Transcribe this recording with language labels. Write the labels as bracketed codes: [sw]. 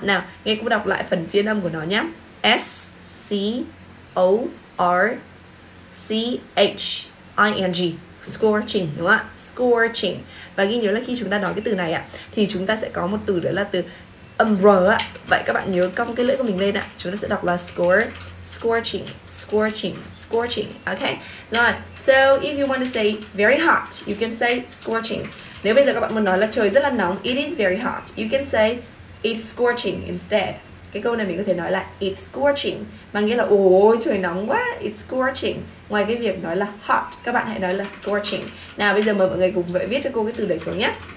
[vi] Nào, nghe cô đọc lại phần phiên âm của nó nhé. S-C-O-R-C-H-I-N-G, scorching đúng không ạ? Scorching. Và ghi nhớ là khi chúng ta nói cái từ này ạ thì chúng ta sẽ có một từ đấy là từ âm r ạ. Vậy các bạn nhớ cong cái lưỡi của mình lên ạ. Chúng ta sẽ đọc là scorching, scorching, scorching. Okay. Rồi. [en] So if you want to say very hot, you can say scorching. [vi] Nếu bây giờ các bạn muốn nói là trời rất là nóng, [en] it is very hot, you can say it's scorching instead. [vi] Cái câu này mình có thể nói là [en] it's scorching, [vi] mà nghĩa là ôi trời nóng quá, [en] it's scorching. [vi] Ngoài cái việc nói là hot, các bạn hãy nói là scorching. Nào bây giờ mời mọi người cùng viết cho cô cái từ đấy xuống nhé.